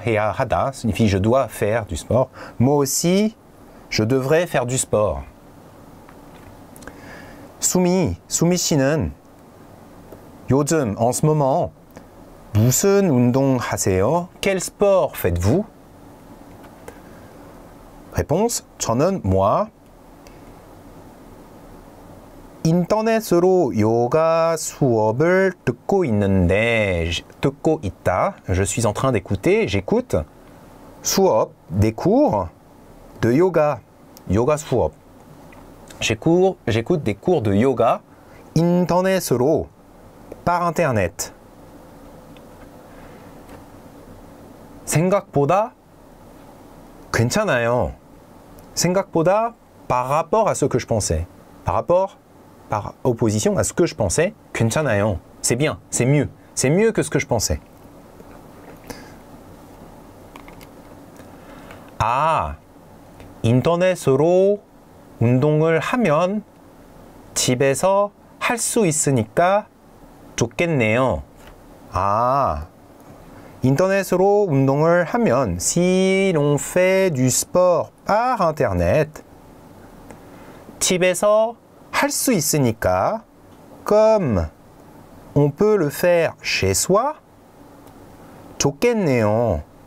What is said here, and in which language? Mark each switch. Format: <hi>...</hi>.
<fr>signifie je dois faire du sport. Moi aussi, je devrais faire du sport.</fr> <ko>수미 씨는 요즘</ko> <fr>en ce moment</fr> <ko>무슨 운동 하세요?</ko> <fr>Quel sport faites-vous? Réponse:</fr> <ko>저는</ko> <fr>moi</fr> <ko>인터넷으로 요가 수업을 듣고 있는데 듣고 있다.</ko> <fr>Je suis en train d'écouter. J'écoute.</fr> <ko>수업,</ko> <fr>des cours de yoga.</fr> <ko>Yoga 수업.</ko> <fr>J'écoute des cours de yoga.</fr> <ko>인터넷으로</ko> <fr>par internet.</fr> <ko>생각보다 괜찮아요. 생각보다</ko> <fr>par rapport à ce que je pensais. Par opposition à ce que je pensais,</fr> <ko>괜찮아요.</ko> <fr>C'est bien, c'est mieux. C'est mieux que ce que je pensais.</fr> <ko>Ah, 인터넷으로 운동을 하면 집에서 할 수 있으니까 좋겠네요.</ko> <fr>Ah,</fr> <ko>인터넷으로 운동을 하면</ko> <fr>si l'on fait du sport par internet,</fr> <ko>집에서 할 수 있으니까</ko> <fr>comme on peut le faire chez soi</fr> <ko>좋겠네요.</ko>